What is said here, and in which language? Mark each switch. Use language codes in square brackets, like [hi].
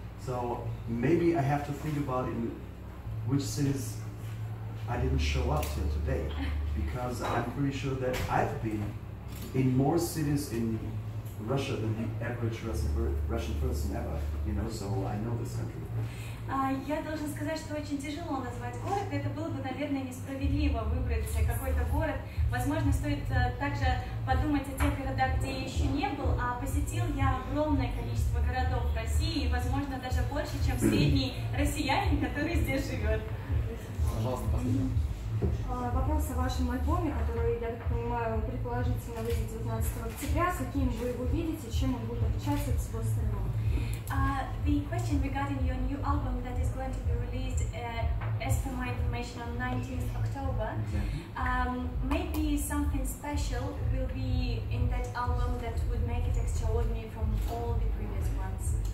[en] So maybe I have to think about in which cities I didn't show up till today, because I'm pretty sure that I've been in more cities in Russia than the average Russian person ever, you know, so I know this country. [ru] Я должен сказать, что очень тяжело назвать город, это было бы, наверное, несправедливо выбрать какой-то город. Возможно, стоит также подумать о тех городах, где я еще не был, а посетил я огромное количество городов в России, возможно, даже больше, чем средний россиянин, который здесь живет. Пожалуйста, последний. Вопрос о вашем альбоме, который, я так понимаю, предположительно выйдет 19 октября. Каким вы его видите, чем он будет отличаться от всего остального? [en] The question regarding your new album that is going to be released, as per my information, on 19th October. Maybe something special will be in that album that would make it extraordinary from all the previous ones.